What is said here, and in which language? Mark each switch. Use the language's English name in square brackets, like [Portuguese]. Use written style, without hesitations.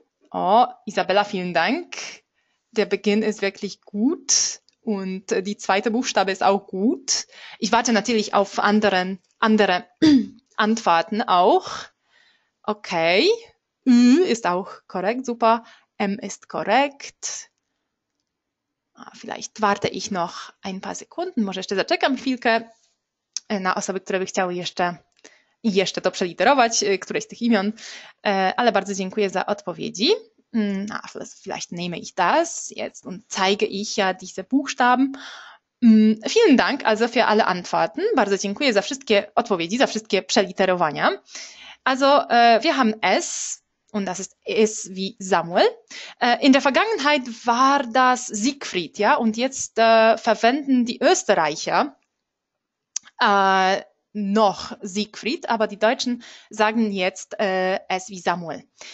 [German] Oh, Isabella, vielen Dank. Der Beginn ist wirklich gut und die zweite Buchstabe ist auch gut. Ich warte natürlich auf andere Antworten auch. Okay, Ü ist auch korrekt, super. M ist korrekt. Vielleicht warte ich noch ein paar Sekunden. [Polish] Może jeszcze zaczekam chwilkę na osoby, które by chciały jeszcze to przeliterować, któreś z tych imion. Ale bardzo dziękuję za odpowiedi. [German] Vielleicht nehme ich das jetzt und zeige ich ja diese Buchstaben. Vielen Dank also für alle Antworten. [Polish] Bardzo dziękuję za wszystkie odpowiedzi, za wszystkie przeliterowania. [German] Also wir haben S und das ist S wie Samuel. In der Vergangenheit war das Siegfried, ja, und jetzt verwenden die Österreicher noch Siegfried, aber die Deutschen sagen jetzt S wie Samuel.